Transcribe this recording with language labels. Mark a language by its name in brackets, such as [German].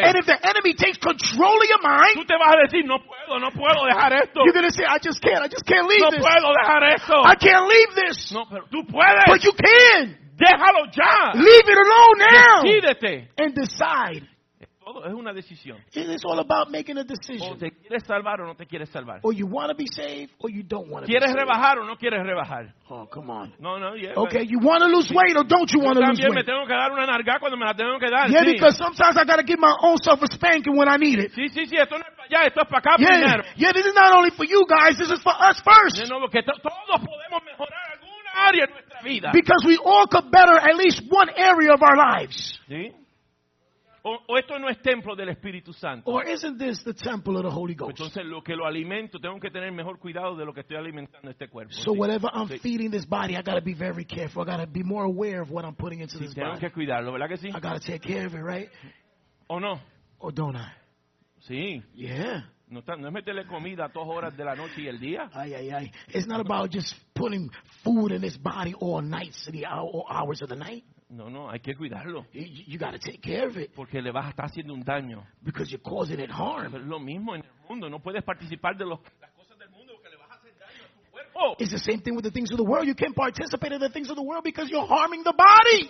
[English] and if the enemy takes control of your mind, [Spanish] tú te vas a decir, no puedo dejar esto. [English] You're going to say, I just can't leave [Spanish] no [English] this. [Spanish] Puedo dejar esto. [English] I can't leave this. [Spanish] No, pero tú puedes. [English] But you can. [Spanish] Déjalo ya. [English] Leave it alone now. [Spanish] Decídete. [English] And decide. [Spanish] Es una decisión. [English] It is all about making a decision. [Spanish] O te quieres salvar o no te quieres salvar. [English] Or you want to be saved or you don't want to. [Spanish] ¿Quieres [English] be [Spanish] rebajar [English] saved? [Spanish] O no quieres rebajar? [English] Oh, come on. No, yeah. Okay, you want to lose weight or don't you want to lose weight? [Spanish] Yo también me tengo que dar una narga cuando me la tengo que dar. [English] Yeah, Because sometimes I got to give my own self a spanking when I need it. [Spanish] Sí, esto no es para allá, esto es para acá primero. [English] Yeah, this is not only for you guys, this is for us first. [Spanish] No, porque todos podemos mejorar alguna área de nuestra vida. [English] Because we all could better at least one area of our lives. [Spanish] Sí. O esto no es templo del Espíritu Santo. [English] Or isn't this the temple of the Holy Ghost? [Spanish] Entonces lo que lo alimento, tengo que tener mejor cuidado de lo que estoy alimentando este cuerpo. [English] So whatever I'm feeding this body, I got to be very careful. I got to be more aware of what I'm putting into this body. [Spanish] Tengo que cuidarlo, ¿verdad que sí? [English] I got to take care of it, right? [Spanish] ¿O no? [English] Or don't I? [Spanish] Sí. [English] Yeah. [Spanish] No es meterle comida a 2 horas de la noche y el día. Ay, ay, ay. [English] It's not about just putting food in this body all nights and the hours of the night. [Spanish] No, hay que cuidarlo. [English] You got to take care of it. [Spanish] Porque le vas a estar haciendo un daño. [English] Because you're causing it harm. [Spanish] Pero es lo mismo en el mundo. No puedes participar de las cosas del mundo porque le vas a hacer daño a tu cuerpo. [English] It's the same thing with the things of the world. You can't participate in the things of the world because you're harming the body.